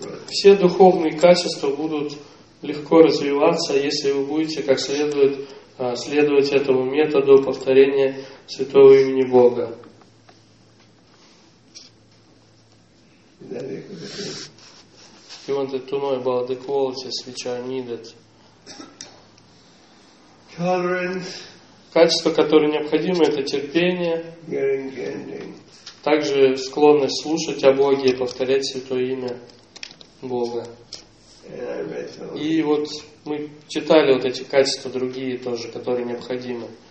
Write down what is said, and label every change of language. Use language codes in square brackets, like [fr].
[ru] Все духовные качества будут легко развиваться, если вы будете как следует следовать этому методу повторения святого имени Бога. [en] You wanted to know about the qualities which are needed. Tolerance. [ru] Качества, которые необходимы, это терпение. Также склонность слушать о Боге и повторять Святое Имя Бога. И вот мы читали вот эти качества другие тоже, которые необходимы.